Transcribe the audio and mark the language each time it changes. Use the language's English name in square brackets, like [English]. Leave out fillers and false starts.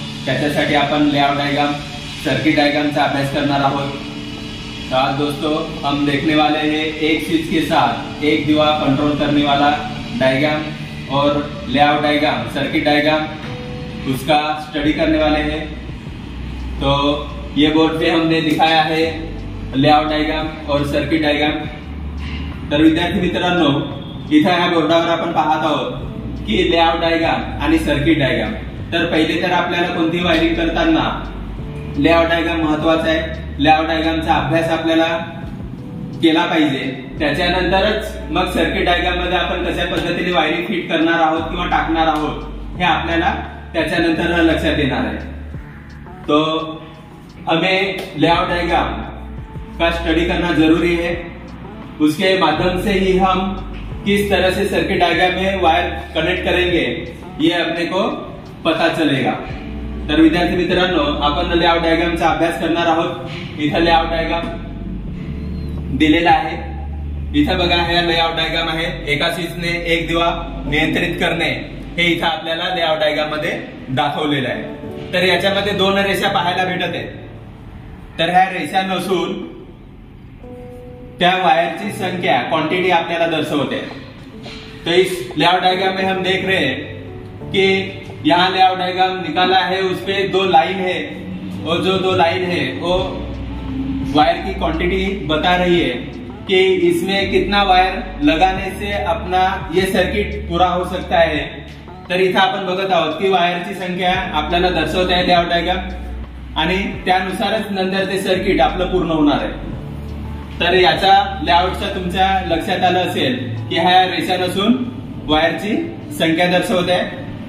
[Marathi] त्याच्यासाठी आपण layout diagram, circuit डायग्रामचा अभ्यास करणार आहोत. [Hindi] तो आज दोस्तों हम देखने वाले हैं एक स्विच के साथ एक दिवा कंट्रोल करने वाला डायग्राम और लेआउट डायग्राम, सर्किट डायग्राम उसका स्टडी करने वाले हैं. तो ये बोर्ड पे हमने दिखाया है लेआउट डायग्राम और सर्किट डायग्राम. [Marathi] तर विद्यार्थी मित्रांनो, इथे ह्या बोर्डावर आपण पाहत आहोत की लेआउट डायग्राम आणि सर्किट डायग्राम. तर पहिले तर आपल्याला कोणती वायरिंग करताना लेआउट डायग्राम महत्वाचा आहे. लेआउट डायग्रामचा अभ्यास आपल्याला केला पाहिजे, त्याच्यानंतरच मग सर्किट डायग्राम मध्ये आपण कशा पद्धतीने वायरिंग फिट करणार आहोत किंवा टाकणार आहोत हे आपल्याला त्याच्यानंतर लक्षात येणार आहे. [Hindi] तो हमें लेआउट डायग्राम का स्टडी करना जरूरी है, उसके माध्यम से ही हम किस तरह से सर्किट डायग्राम में वायर कनेक्ट करेंगे ये अपने को पता चलेगा. [Marathi] तर विद्यार्थी मित्रांनो, आपण लेआउट डायग्रामचा अभ्यास करणार आहोत. इथं लेआउट डायग्राम दिलेला आहे. इथं बघा, हे लेआउट डायग्राम आहे एका स्विचने एक दिवा नियंत्रित करणे हे इथं आपल्याला लेआउट डायग्राम मध्ये दाखवलेलं आहे. तर याच्यामध्ये दोन रेषा पाहायला भेटत आहेत. तर ह्या रेषा नसून त्या वायरची संख्या, क्वांटिटी आपल्याला दर्शवते. [Hindi] तो इस लेआउट डायग्राम में हम देख रहे हैं कि यहाँ लेआउट डायग्राम निकाला है, उसपे दो लाइन है और जो दो लाइन है वो वायर की क्वांटिटी बता रही है कि इसमें कितना वायर लगाने से अपना ये सर्किट पूरा हो सकता है. [Marathi] तर इथे आपण बघत आहोत की वायरची संख्या आपल्याला दर्शवत आहे लेआउट डायग्राम, आणि त्यानुसारच नंतर ते सर्किट आपलं पूर्ण होणार आहे. तर याचा लेआउटचा तुमच्या लक्षात आलं असेल की ह्या रेषा नसून वायरची संख्या दर्शवत आहे.